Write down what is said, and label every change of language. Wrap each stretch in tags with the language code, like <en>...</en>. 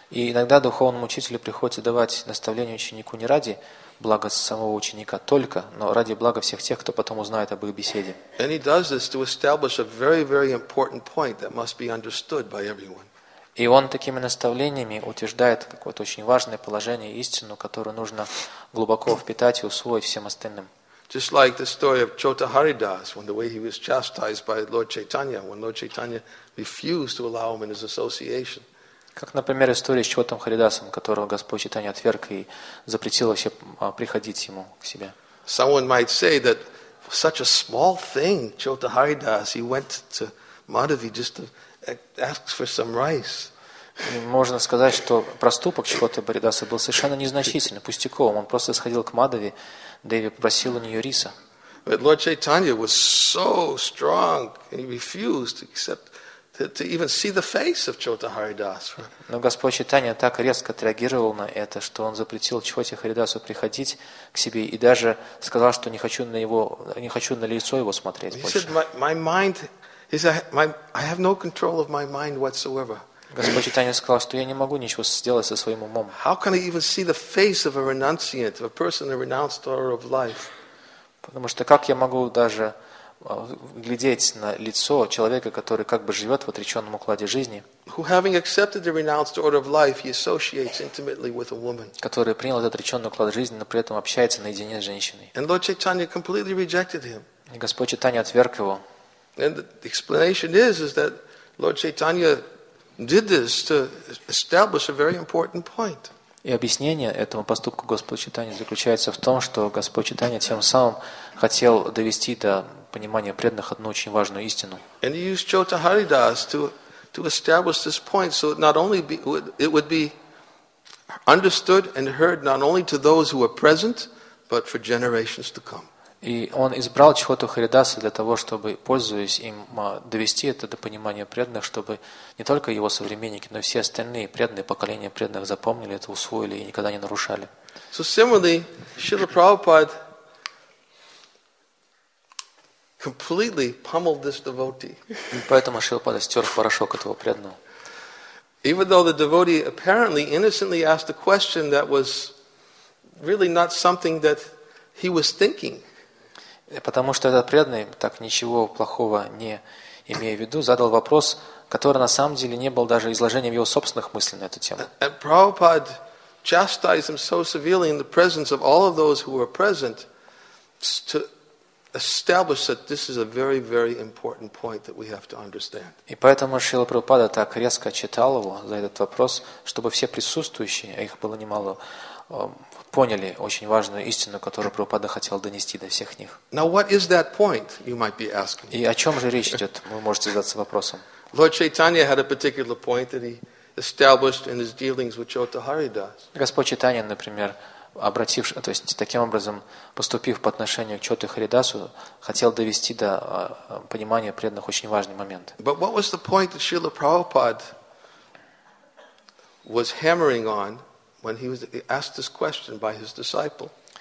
<ru>И иногда духовному учителю приходится давать наставление ученику не ради блага самого ученика только, но ради блага всех тех, кто потом узнает об их беседе.</ru> <en>And he does this to establish a very, very important point that must be understood by everyone.</en> <ru>И он такими наставлениями утверждает какое-то очень важное положение, истину, которую нужно глубоко впитать и усвоить всем остальным.</ru> <en>Just like the story of Chota Haridas, when the way he was chastised by Lord Chaitanya, when Lord Chaitanya refused to allow him in his association.</en> <ru>Как, например, история с Чотом Харидасом, которого Господь Чайтанья отверг и запретил вообще приходить ему к себе.</ru> <en>Someone might say that for such a small thing, Chota Haridas, he went to Madhavi just to ask for some rice.</en> <ru>Можно сказать, что проступок Чхоты Баридаса был совершенно незначительным, пустяковым. Он просто сходил к Мадхави, Деви попросил у нее риса.</ru> <en>But Lord Chaitanya was so strong, he refused to accept to even see the face of Chota Haridas.</en> <ru>Но Господь Чайтанья так резко отреагировал на это, что он запретил Чхоте Харидасу приходить к себе и даже сказал, что не хочу на лицо его смотреть больше.</ru> <en>He said, I have no control of my mind whatsoever.</en> <ru>Господь Чайтанья сказал, что я не могу ничего сделать со своим умом.</ru> <en>How can I even see the face of a renunciant, of a person who renounced order of life?</en> <ru>Потому что как я могу даже глядеть на лицо человека, который как бы живет в отреченном укладе жизни,</ru> <en>who having accepted the renounced order of life, he associates intimately with a woman.</en> <ru>Который принял этот отреченный уклад жизни, но при этом общается наедине с женщиной.</ru> <en>And Lord Chaitanya completely rejected him.</en> <ru>И Господь Чайтанья отверг его.</ru> <en>And the explanation is that Lord Chaitanya did this to establish a very important point.</en> <ru>И объяснение этому поступку Господа Чайтанья заключается в том, что Господь Чайтанья тем самым хотел довести до понимания преданных одну очень важную истину.</ru> <en>And he used Chota Haridas to establish this point so not only it would be understood and heard not only to those who were present, but for generations to come.</en> <ru>И он избрал Чхоту Харидаса для того, чтобы, пользуясь им, довести это до понимания преданных, чтобы не только его современники, но и все остальные преданные, поколения преданных запомнили это, усвоили и никогда не нарушали.</ru> <en>So similarly, Srila Prabhupada completely pummeled this devotee.</en> <ru>Поэтому Шрила Прабхупада стер порошок этого преданного.</ru> <en>Even though the devotee apparently innocently asked a question that was really not something that he was thinking.</en> <ru>Потому что этот преданный, так ничего плохого не имея в виду, задал вопрос, который на самом деле не был даже изложением его собственных мыслей на эту тему.</ru> <en>And Prabhupada chastised him so severely in the presence of all of those who were present to establish that this is a very, very important point that we have to understand.</en> <ru>И поэтому Шрила Прабхупада так резко читал его за этот вопрос, чтобы все присутствующие, а их было немало, поняли очень важную истину, которую Прабхупада хотел донести до всех них.</ru> <en>Now, what is that point, you might be asking?</en> <ru>И о чем же речь идет, вы можете задаться вопросом.</ru> <en>Lord Chaitanya had a particular point that he established in his dealings with Chota Haridas.</en> <ru>Господь Чайтанья, например, обратившись, то есть таким образом поступив по отношению к Чоте Харидасу, хотел довести до понимания преданных очень важный момент.</ru> <en>But what was the point that Srila Prabhupada was hammering on when he was asked this question by his disciple?</en>